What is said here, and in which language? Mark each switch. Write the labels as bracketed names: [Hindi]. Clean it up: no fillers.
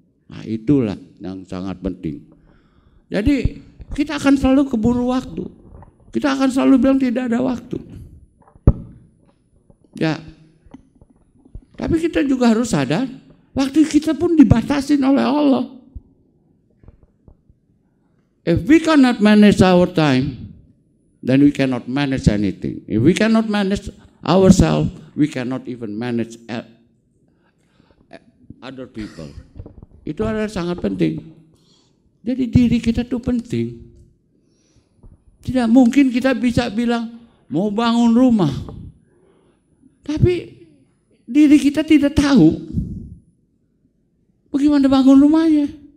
[Indonesian] Nah itulah yang sangat penting. Jadi kita akan selalu keburu waktu. Kita akan selalu bilang tidak ada waktu. Ya. Tapi kita juga harus sadar, waktu kita pun dibatasin oleh Allah. [English] If we cannot manage our time, then we cannot manage anything. If we cannot manage ourselves, we cannot even manage other people. [Indonesian] Itu adalah sangat penting. Jadi diri kita itu penting. Tidak mungkin kita bisa bilang, mau bangun rumah. Tapi diri kita tidak tahu bagaimana bangun rumahnya.